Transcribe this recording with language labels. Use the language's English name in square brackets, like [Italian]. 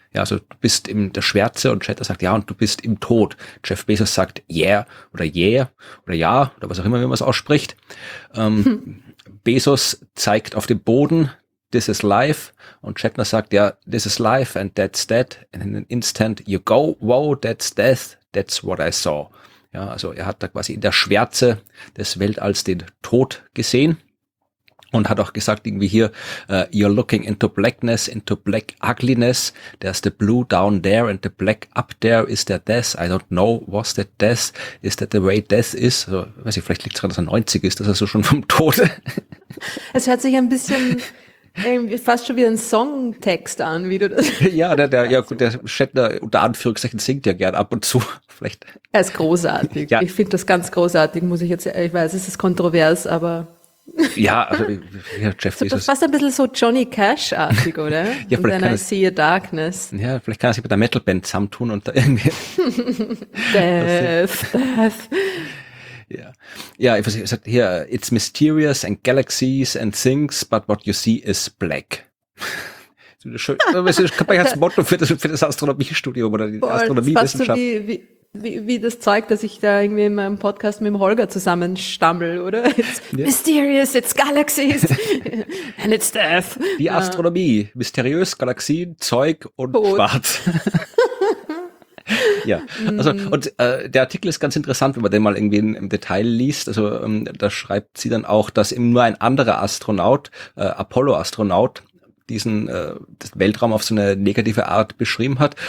[German] Ja, also du bist in der Schwärze und Shatner sagt ja und du bist im Tod. Jeff Bezos sagt ja oder was auch immer, wie man es ausspricht. Bezos zeigt auf den Boden, [English] this is life [German] und Shatner sagt ja, [English] this is life and that's that. And in an instant you go, wow, that's death, that's what I saw. [German] Ja, also er hat da quasi in der Schwärze des Weltalls den Tod gesehen. Und hat auch gesagt, irgendwie hier, [English] you're looking into blackness, into black ugliness. There's the blue down there and the black up there. Is there death? I don't know. Was that death? Is that the way death is? [German] Also, weiß ich, vielleicht liegt es daran, dass er 90 ist, dass er so schon vom Tode. Es hört sich ein bisschen irgendwie fast schon wie ein Songtext an, wie du das. Ja, der Shatner unter Anführungszeichen singt ja gern ab und zu. Vielleicht. Er ist großartig. Ja. Ich finde das ganz großartig, muss ich jetzt, ich weiß, es ist kontrovers, aber. Ja, also Jeff Bezos. Das passt ein bisschen so Johnny Cash-artig, oder? Ja, [English] und dann I see a darkness. [German] Ja, vielleicht kann er sich mit der Metal-Band zusammentun und da irgendwie [English] Death. [German] Ja, ich weiß, sagt hier, [English] it's mysterious and galaxies and things, but what you see is black. [German] Das ist ein ganz Motto für das Astronomiestudium oder die Astronomiewissenschaft. Wie das Zeug, dass ich da irgendwie in meinem Podcast mit dem Holger zusammenstammel, oder? [English] It's mysterious, it's galaxies and it's death. [German] Die Astronomie, mysteriös, Galaxien, Zeug und Tod. Schwarz. Ja, also und der Artikel ist ganz interessant, wenn man den mal irgendwie im Detail liest. Also da schreibt sie dann auch, dass eben nur ein anderer Astronaut, Apollo-Astronaut, diesen das Weltraum auf so eine negative Art beschrieben hat.